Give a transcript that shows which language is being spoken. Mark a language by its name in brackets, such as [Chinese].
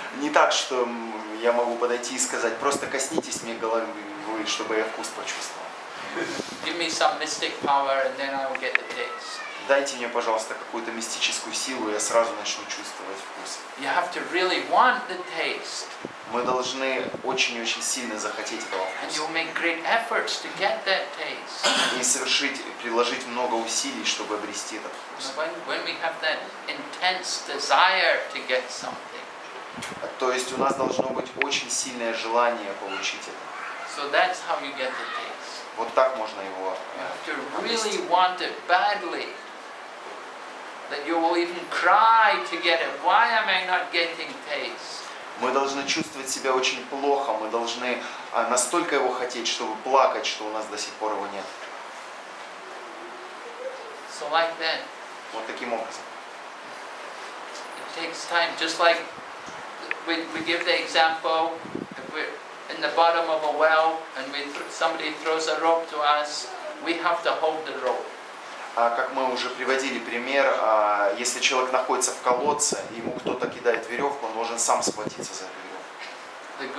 [Russian] Не так, что я могу подойти и сказать просто коснитесь мне головы, чтобы я вкус почувствовал. [English] Give me some mystic power, and then I will get the taste. [Russian] дайте мне, пожалуйста, какую-то мистическую силу, и я сразу начну чувствовать вкус. [English] You have to really want the taste. [Russian] Мы должны очень-очень сильно захотеть этого вкуса. [English] And you'll make great efforts to get that taste. [Russian] И совершить, приложить много усилий, чтобы обрести этот вкус. [English] When we have that intense desire to get something. [Russian] То есть у нас должно быть очень сильное желание получить это. [English] So that's how you get the taste. [Russian] Вот так можно его. [English] You really want it badly. That you will even cry to get it. Why am I not getting taste? [Russian] Мы должны чувствовать себя очень плохо. Мы должны настолько его хотеть, чтобы плакать, что у нас до сих пор его нет. [English] So like that. [Russian] Вот таким образом. [English] It takes time. Just like we give the example. If we're in the bottom of a well and somebody throws a rope to us, we have to hold the rope. [Russian] Как мы уже приводили пример, если человек находится в колодце, ему кто-то кидает веревку, он должен сам схватиться за эту